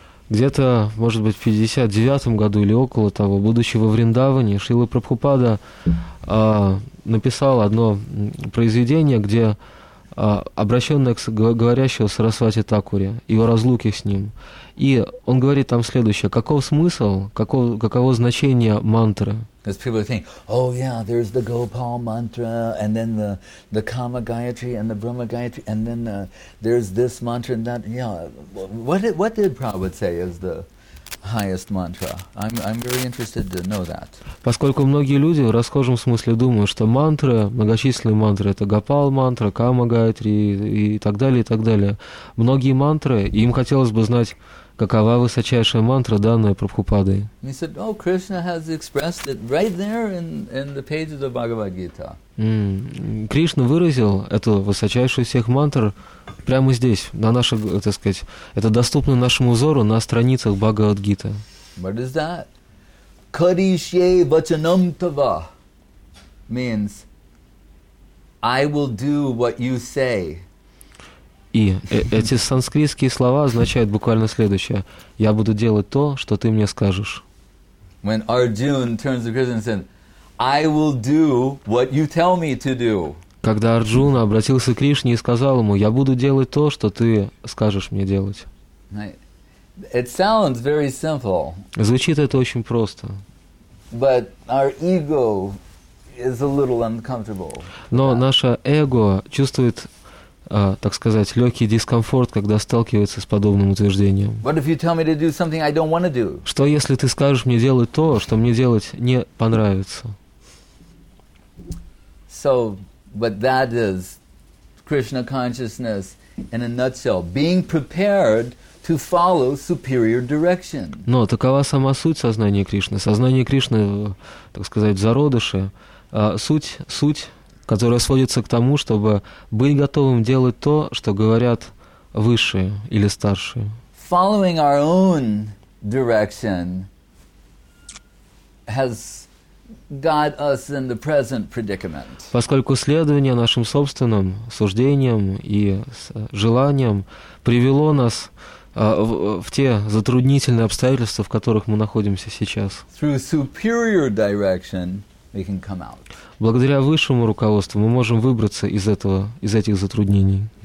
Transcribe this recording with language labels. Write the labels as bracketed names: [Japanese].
[Russian] Где-то, может быть, в 59-м году или около того, будучи во Вриндаване, Шрила Прабхупада написал одно произведение, где обращенное к говорящему Сарасвати Такуре, его разлуке с ним. И он говорит там следующее. Каков смысл, каково значение мантры? [English] Because people think, oh yeah, there's the Gopal mantra, and then the Kama Gayatri, and the Brahma Gayatri, and then there's this mantra, and that, yeah. What did Prabhupada say is the highest mantra? I'm very interested to know that. [Russian] Поскольку многие люди в расхожем смысле думают, что мантры, многочисленные мантры, это Гопал мантра, Кама Гайатри и так далее, Многие мантры, и им хотелось бы знать, какова высочайшая мантра, данная Прабхупадой. [English] He said, oh, Krishna has expressed it right there in the pages of Bhagavad-gita. [Russian] Кришна выразил эту высочайшую всех мантр прямо здесь, на наших, так сказать, это доступно нашему взору на страницах Бхагавад-гита. [English] What is that? [Sanskrit] Karishye vachanam tava [English] means I will do what you say. [Russian] И эти санскритские слова означают буквально следующее: я буду делать то, что ты мне скажешь. [English] When Arjun turns to Krishna and said, I will do what you tell me to do. [Russian] Когда Арджуна обратился к Кришне и сказал ему: я буду делать то, что ты скажешь мне делать. [English] It sounds very simple. [Russian] Звучит это очень просто. [English] But our ego is a little uncomfortable. [Russian] Но наше эго чувствует, так сказать, легкий дискомфорт, когда сталкивается с подобным утверждением. [English] What if you tell me to do something I don't want to do? [Russian] Что если ты скажешь мне делать то, что мне делать не понравится? [English] So, but that is Krishna consciousness in a nutshell, being prepared to follow superior direction. [Russian] Но такова сама суть сознания Кришны. Сознание Кришны, так сказать, в зародыше. Суть, которая сводится к тому, чтобы быть готовым делать то, что говорят высшие или старшие. [English] Following our own direction has got us in the present predicament. [Russian] Поскольку следование нашим собственным суждениям и желаниям привело нас в те затруднительные обстоятельства, в которых мы находимся сейчас. [English] Through superior direction we can come out. [Russian] Благодаря высшему руководству мы можем выбраться из этого, из этих затруднений.